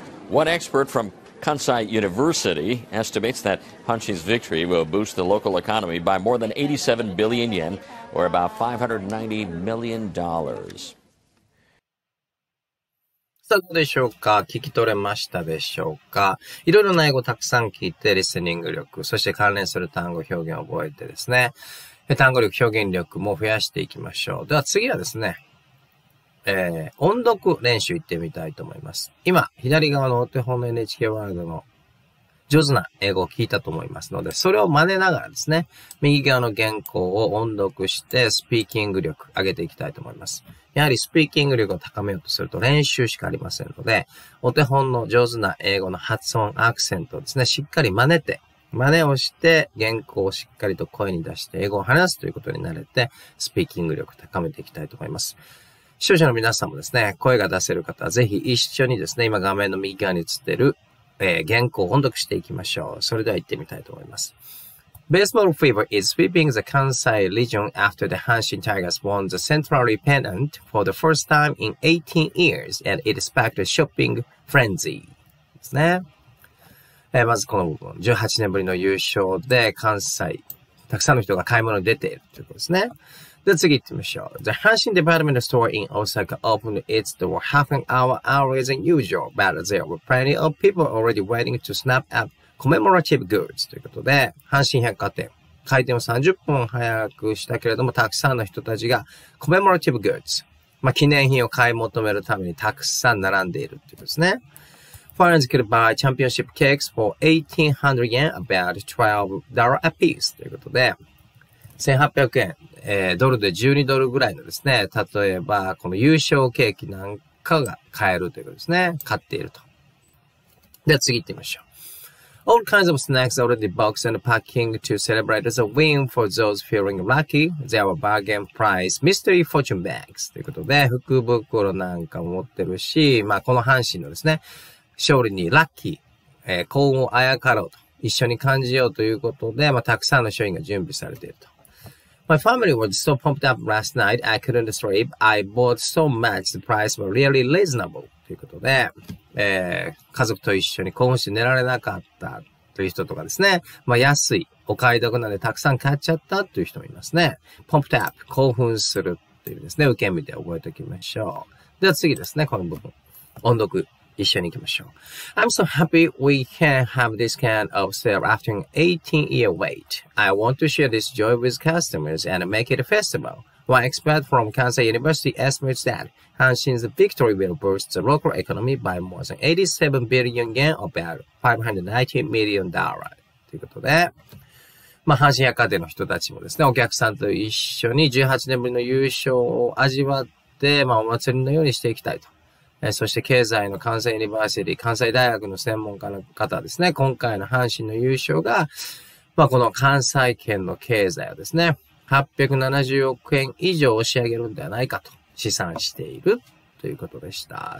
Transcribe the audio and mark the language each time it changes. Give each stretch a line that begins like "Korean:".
English: One expert fromKansai University estimates that Hanshin's victory will boost the local economy by more than 87 billion yen, or about $590 million.
Japanese: さあ、どうでしょうか？聞き取れましたでしょうか？いろいろな英語をたくさん聞いて、リスニング力、そして関連する単語表現を覚えてですね、単語力、表現力も増やしていきましょう。では次はですね、音読練習行ってみたいと思います。今、左側のお手本の NHK ワールドの上手な英語を聞いたと思いますので、それを真似ながらですね、右側の原稿を音読して、スピーキング力上げていきたいと思います。やはりスピーキング力を高めようとすると練習しかありませんので、お手本の上手な英語の発音、アクセントをですね、しっかり真似て、真似をして、原稿をしっかりと声に出して、英語を話すということに慣れて、スピーキング力を高めていきたいと思います。視聴者の皆さんもですね、声が出せる方はぜひ一緒にですね、今画面の右側に映っている、原稿を音読していきましょう。それでは行ってみたいと思います。
English: Baseball fever is sweeping the Kansai region after the Hanshin Tigers won the Central League pennant for the first time in 18 years and it sparked a shopping frenzy.
Japanese: ですね。まずこの部分、18年ぶりの優勝で関西、たくさんの人が買い物に出ているということですね。で、次行ってみましょう。
English: The Hanshin Department Store in Osaka opened its door half an hour earlier than usual, but there were plenty of people already waiting to snap up commemorative goods.
Japanese: ということで、阪神百貨店、開店を30分早くしたけれども、たくさんの人たちが
English: commemorative goods、
Japanese: まあ、記念品を買い求めるためにたくさん並んでいるということですね。
English: Fans could buy championship cakes for 1800 yen, about $12 a piece.
Japanese: ということで、1800円。ドルで12ドルぐらいのですね、例えばこの優勝ケーキなんかが買えるということですね、買っていると。で、次行ってみましょう。
English: All kinds of snacks already boxed and packing to celebrate as a win for those feeling lucky. There were bargain price mystery fortune bags
Japanese: ということで、福袋なんかも持ってるし、まあこの阪神のですね、勝利にラッキー、幸運をあやかろうと、一緒に感じようということで、まあたくさんの商品が準備されていると。
English: My family was so pumped up last night, I couldn't sleep. I bought so much, the price was really reasonable.
Japanese: ということで、家族と一緒に興奮して寝られなかったという人とかですね。まあ、安い、お買い得なんでたくさん買っちゃったという人もいますね。ポンプタップ、興奮するっていうですね。受け身で覚えておきましょう。では次ですね、この部分。音読、一緒に行きましょう。
English: I'm so happy we can have this kind of sale after an 18-year wait. I want to share this joy with customers and make it a festival. One expert from Kansai University estimates that Hanshin's victory will boost the local economy by more than 87 billion yen, about $590 million.
Japanese: ということで、まあ、阪神百貨店の人たちもですね、お客さんと一緒に18年ぶりの優勝を味わって、まあ、お祭りのようにしていきたいと。そして経済の関西ユニバーシティ、関西大学の専門家の方はですね、今回の阪神の優勝が、まあ、この関西圏の経済をですね、870億円以上押し上げるんではないかと試算しているということでした。